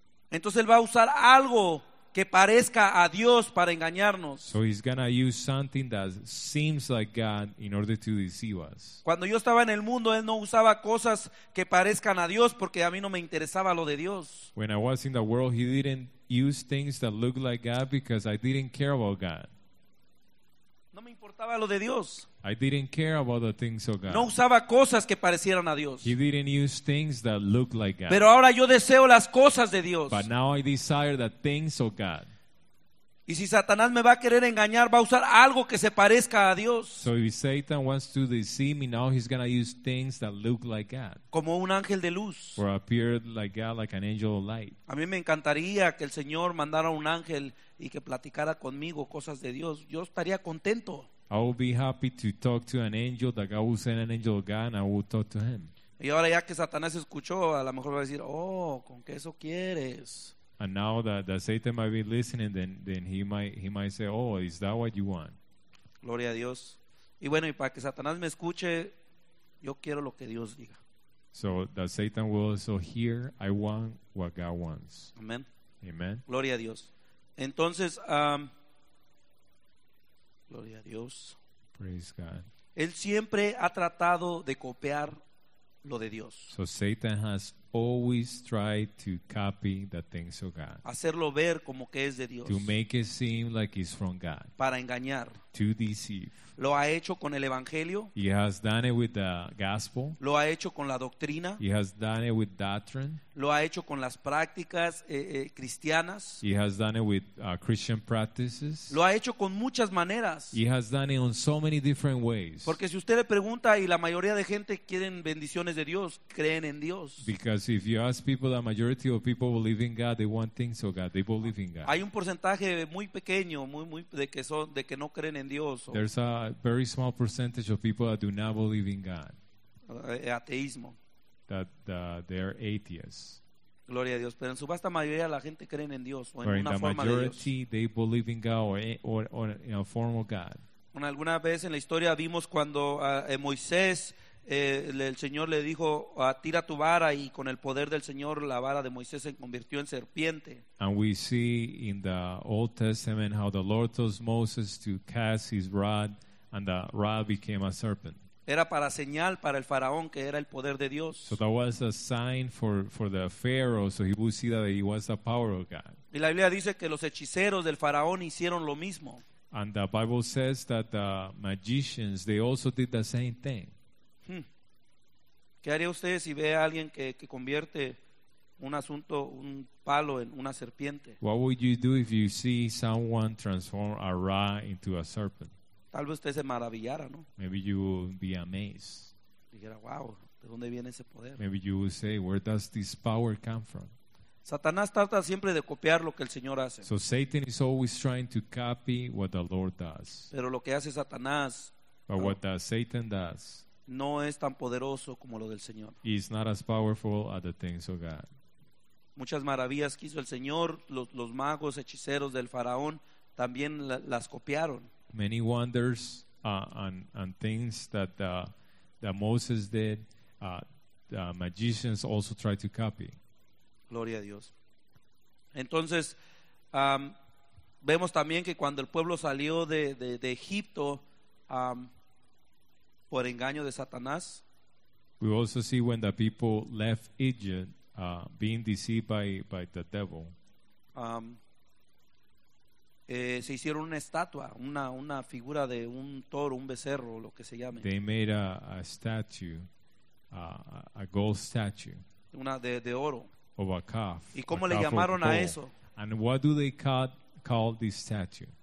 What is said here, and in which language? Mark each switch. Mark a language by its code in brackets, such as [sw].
[es] Entonces él va a usar algo que parezca a Dios para engañarnos. [en] So he's gonna use something that seems like God in order to deceive us. [es] Cuando yo estaba en el mundo, él no usaba cosas que parezcan a Dios porque a mí no me interesaba lo de Dios. [en] When I was in the world, he didn't use things that looked like God because I didn't care about God. [es] No me importaba lo de Dios. [en] I didn't care about the things of God. [es] No usaba cosas que parecieran a Dios. [en] He didn't use things that looked like God. [es] Pero ahora yo deseo las cosas de Dios. [en] But now I desire the things of God. [es] Y si Satanás me va a querer engañar, va a usar algo que se parezca a Dios. [en] So if Satan wants to deceive me, now he's going to use things that look like God. [es] Como un ángel de luz. [en] Or appear like God, like an angel of light. [es] A mí me encantaría que el Señor mandara un ángel y que platicara conmigo cosas de Dios. Yo estaría contento. [en] I would be happy to talk to an angel, that God would send an angel of God, and I would talk to him. [es] Y ahora ya que Satanás escuchó, a lo mejor va a decir, oh, ¿con qué eso quieres? [en] And now that Satan might be listening, then he might say, oh, is that what you want? [es] Gloria a Dios. Y bueno, y para que Satanás me escuche, yo quiero lo que Dios diga. [en] So that Satan will also hear, I want what God wants. Amen. Amen. [es] Gloria a Dios. Entonces, gloria a Dios. [en] Praise God. [es] Él siempre ha tratado de copiar lo de Dios. [en] So Satan has always tried to copy the things of God. [es] Hacerlo ver como que es de Dios. [en] To make it seem like it's from God. [es] Para engañar. [en] To deceive. [es] Lo ha hecho con el evangelio. [en] He has done it with the gospel. [es] Lo ha hecho con la doctrina. [en] He has done it with doctrine. [es] Lo ha hecho con las prácticas cristianas. [en] He has done it with Christian practices. [es] Lo ha hecho con muchas maneras. [en] He has done it on so many different ways. [es] Porque si usted le pregunta, y la mayoría de gente quieren bendiciones de Dios, creen en Dios. [en] Because if you ask people, the majority of people believe in God, they want things of God, they believe in God. [es] Hay un porcentaje muy pequeño, muy de que no creen en Dios. [en] There's a very small percentage of people that do not believe in God. [es] Ateísmo. [en] That they're atheists. [es] Gloria a Dios, pero en su vasta mayoría la gente creen en Dios o en [en] or [es] una forma [en] majority, [es] de Dios. [en] They believe in God or in a form of God. [es] Bueno, alguna vez en la historia vimos cuando Moisés el Señor le dijo, tira tu vara, y con el poder del Señor la vara de Moisés se convirtió en serpiente. [en] And we see in the Old Testament how the Lord told Moses to cast his rod, and the rod became a serpent. [es] Era para señal para el faraón que era el poder de Dios. [en] So that was a sign for the Pharaoh, so he would see that he was the power of God. [es] Y la Biblia dice que los hechiceros del faraón hicieron lo mismo. [en] And the Bible says that the magicians, they also did the same thing. [es] ¿Qué haría usted si ve a alguien que convierte un asunto, un palo, en una serpiente? [en] What would you do if you see someone transform a rod into a serpent? [es] Tal vez usted se maravillara, ¿no? [en] Maybe you would be amazed. [es] Dijera, wow, ¿de dónde viene ese poder? [en] Maybe you would say, where does this power come from? [es] Satanás trata siempre de copiar lo que el Señor hace. [en] So Satan is always trying to copy what the Lord does. [es] Pero lo que hace Satanás. [en] But what does Satan does? [es] No es tan poderoso como lo del Señor. [en] He's not as powerful as the things of God. [es] Muchas maravillas quiso el Señor, los magos, hechiceros del faraón también las copiaron. [en] Many wonders and things that that Moses did, the magicians also tried to copy. [es] Gloria a Dios. Entonces, vemos también que cuando el pueblo salió de Egipto, por engaño de Satanás. [en] We also see when the people left Egypt being deceived by the devil. [es] Se hicieron una estatua, una figura de un toro, un becerro, lo que se llame. [en] They made a statue, a gold statue. [es] Una de oro. [en] Of a calf. [es] ¿Y cómo le llamaron a eso? [en] And what do they call this statue?